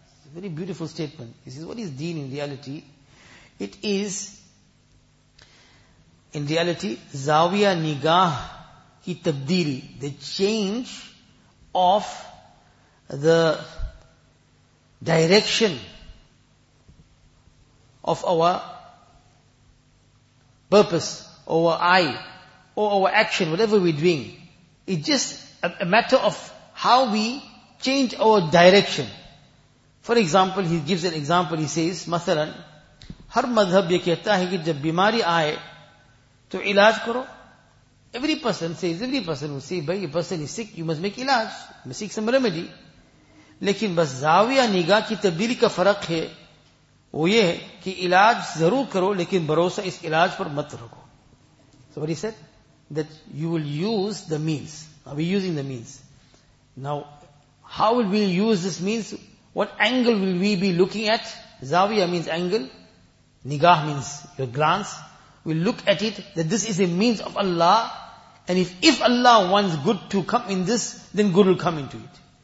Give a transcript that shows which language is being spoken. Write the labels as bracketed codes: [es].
[en] It's a very beautiful statement. He says, what is deen in reality? It is, in reality, [ur] zawiya nigah ki tabdili, [en] the change of the direction of our purpose, our eye, or our action, whatever we're doing, It's just a matter of how we change our direction. For example, he gives an example. He says, [ur] مثلاً ہر مذہب یہ کہتا ہے کہ جب بیماری آئے تو علاج کرو. [en] Every person will say, [ur] بھائی, [en] a person is sick, you must make علاج, you must seek some remedy. [ur] لیکن بس زاویہ نگاہ کی تبدیلی کا فرق ہے, وہ یہ ہے کہ علاج ضرور کرو لیکن بھروسہ اس علاج پر مت رکھو. [en] So what he said? That you will use the means. Are we using the means? Now, how will we use this means? What angle will we be looking at? Zawiya means angle. Nigah means your glance. We'll look at it that this is a means of Allah. And if Allah wants good to come in this, then good will come into it.